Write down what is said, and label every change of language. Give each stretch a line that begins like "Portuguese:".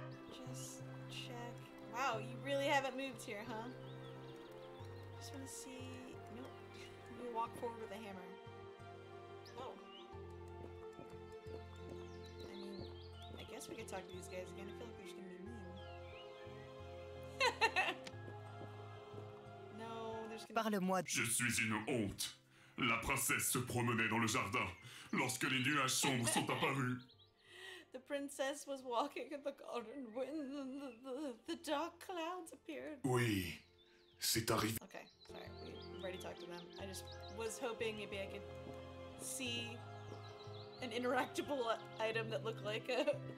English: Just check. Wow, you really haven't moved here, huh? Just wanna see... Nope. Let me walk forward with a hammer. Whoa. I mean, I guess we could talk to these guys again. I feel like they're just gonna be mean. No, there's gonna...
French: Parle-moi. Je suis une honte. La princesse se promenait dans le jardin lorsque les nuages sombres sont apparus.
English: The princess was walking in the garden when the dark clouds appeared.
French: Oui, c'est arrivé.
English: Okay, sorry, we already talked to them. I just was hoping maybe I could see an interactable item that looked like a...